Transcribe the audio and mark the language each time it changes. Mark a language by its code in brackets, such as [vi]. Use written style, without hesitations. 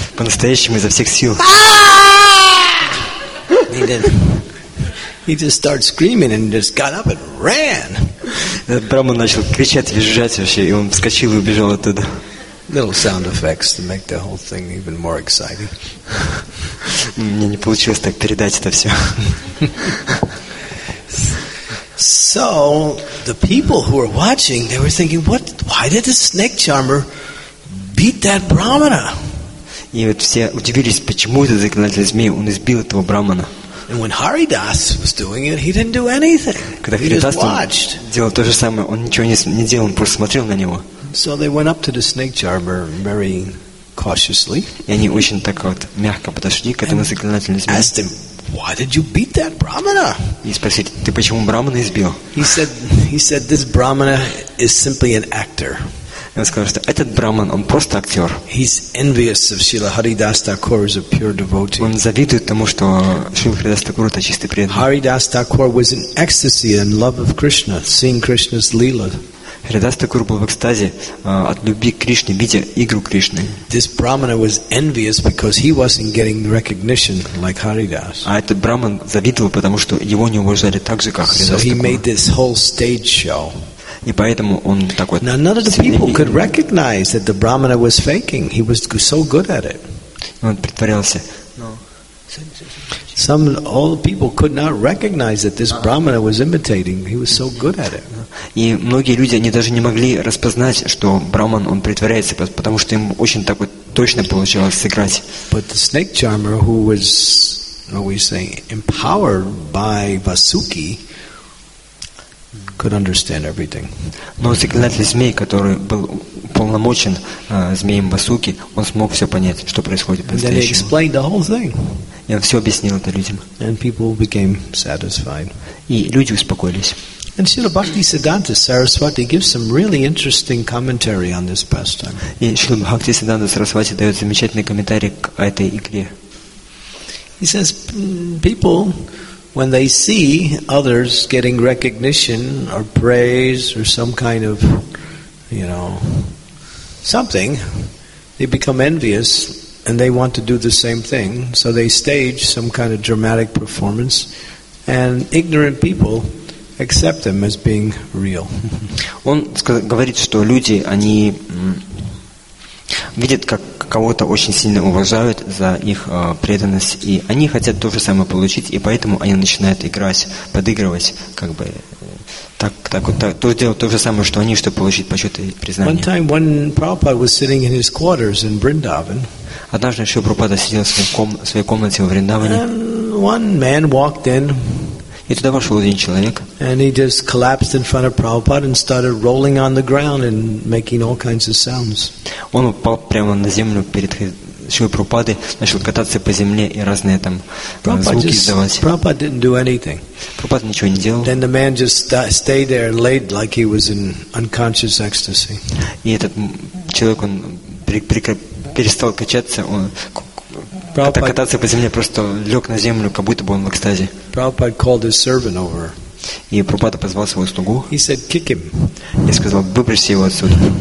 [ru] По-настоящему изо всех сил. [en] He didn't. He just started screaming and just got up and ran. [ru] Этот браман начал кричать, визжать вообще, и он вскочил и убежал оттуда. [en] Little sound effects to make the whole thing even more exciting. [ru] Мне не получилось так передать это все. [en] So the people who were watching, they were thinking, "What? Why did the snake charmer beat that brahmana?" [ru] И вот все удивились, почему этот заклинатель змей он избил этого брамана. [en] And when Haridas was doing it, he didn't do anything. [ru] Когда Харидас делал то же самое, он ничего не делал, он просто смотрел на него. [en] So they went up to the snake charmer very cautiously. [ru] И они очень так вот мягко подошли к этому заклинательному змею. [en] Asked him, "Why did you beat that brahmana?" [ru] И спросили, "Ты почему брамана избил?" [en] He said, "This brahmana is simply an actor." [ru] Он сказал, что этот браман, он просто актер. [en] He's envious of Srila Haridas Thakur as a pure devotee. [ru] Он завидует тому, что Шрила Харидас Такур это чистый преданный. [en] Haridas Thakur was in ecstasy and love of Krishna, seeing Krishna's lila. [ru] Haridas Thakur был в экстазе от любви к Кришне, видя игру Кришны. [en] This brahmana was envious because he wasn't getting recognition like Haridas. [ru] А этот браман завидовал, потому что его не уважали так же, как Haridas Thakur. [en] So he made this whole stage show. [ru] И поэтому он так вот. [en] Now none of the people could recognize that the brahmana was faking. He was so good at it. [ru] Он притворялся. [en] All the people could not recognize that this brahmana was imitating. He was so good at it. [ru] И многие люди они даже не могли распознать, что браман он притворяется, потому что им очень так вот точно получалось сыграть. [en] But the snake charmer, who was, what we say, empowered by Vasuki, could understand everything. [ru] Но заклинатель змей, который был уполномочен змеем Васуки, он смог все понять, что происходит по-настоящему. [en] And then he explained the whole thing. [ru] И он все объяснил это людям. [en] And people became satisfied. [ru] И люди успокоились. [en] And Srila Bhakti Siddhanta Saraswati gives some really interesting commentary on this pastime. [ru] И Srila Bhakti Siddhanta Saraswati дает замечательный комментарий к этой игре. [en] He says, people, when they see others getting recognition or praise or some kind of, you know, something, they become envious and they want to do the same thing. So they stage some kind of dramatic performance, and ignorant people accept them as being real. [ru] Он говорит, что люди, они видят, как кого-то очень сильно уважают за их преданность, и они хотят то же самое получить, и поэтому они начинают играть, подыгрывать, как бы так то делать то же самое, что они, чтобы получить почет и признание. [en] One time when Prabhupada was sitting in his quarters in Vrindavan, [ru] однажды еще Прабхупада сидел в своей комнате в Вриндаване. [en] One man walked in. [ru] И туда вошел один человек. [en] And he just collapsed in front of Prabhupada and started rolling on the ground and making all kinds of sounds. [ru] Он упал прямо на землю перед Шри Прабхупадой, начал кататься по земле и разные там звуки издавать. [en] Prabhupada didn't do anything. [ru] Прабхупада ничего не делал. [en] Then the man just stayed there and laid like he was in unconscious ecstasy. [ru] И этот человек, он перестал качаться, он кататься по земле, просто лег на землю, как будто бы он в экстазе. [en] Prabhupada called his servant over. [ru] И Прабхупада позвал своего слугу. [en] He said, kick him. [ru] И сказал, выброси его отсюда.